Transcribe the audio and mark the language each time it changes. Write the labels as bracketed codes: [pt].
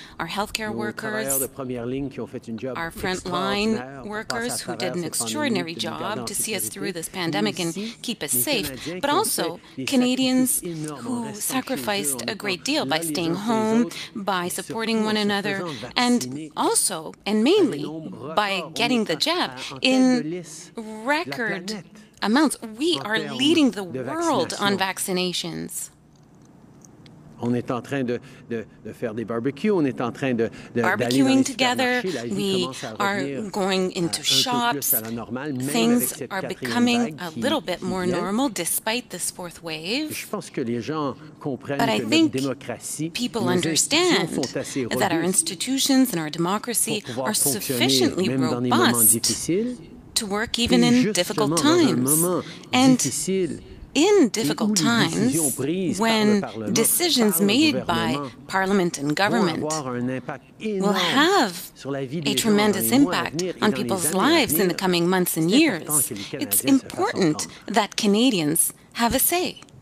[en] Our healthcare workers, our frontline workers who did an extraordinary job to see us through this pandemic and keep us safe, but also Canadians who sacrificed a great deal by staying home, by supporting one another, and also and mainly by getting the jab in record amounts. We are leading the world on vaccinations. [fr] On est en train de faire des barbecues, on est en train de [en] barbecuing together, we are going into shops, things are becoming a little bit more normal despite this fourth wave. [fr] Je pense que les gens comprennent que notre démocratie, [en] people understand that our institutions and our democracy are sufficiently robust to work even in difficult times. And in difficult times, when decisions made by Parliament and government will have a tremendous impact on people's lives in the coming months and years, it's important that Canadians have a say.